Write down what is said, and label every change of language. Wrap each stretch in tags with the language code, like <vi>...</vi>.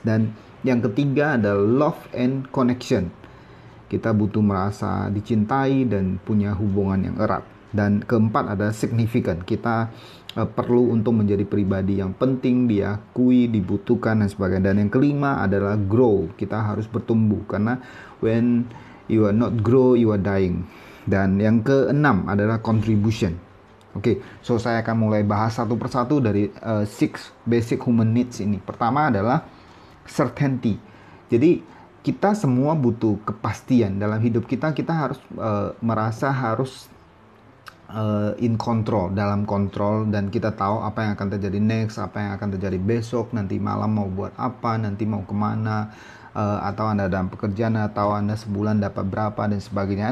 <id>Dan yang ketiga adalah love and connection. Kita butuh merasa dicintai dan punya hubungan yang erat. Dan keempat adalah significant. Kita perlu untuk menjadi pribadi yang penting, diakui, dibutuhkan, dan sebagainya. Dan yang kelima adalah grow. Kita harus bertumbuh. Karena</id> <en>when you are not grow, you are dying.</en> <id>Dan yang keenam adalah contribution. Oke, okay, so saya akan mulai bahas satu persatu dari 6 basic human needs ini. Pertama adalah certainty. Jadi kita semua butuh kepastian. Dalam hidup kita harus merasa harus</id> <en>in control,</en> <id>dalam kontrol, dan kita tahu apa yang akan terjadi next, apa yang akan terjadi besok, nanti malam mau buat apa, nanti mau kemana, atau Anda dalam pekerjaan, atau Anda sebulan dapat berapa dan sebagainya.</id>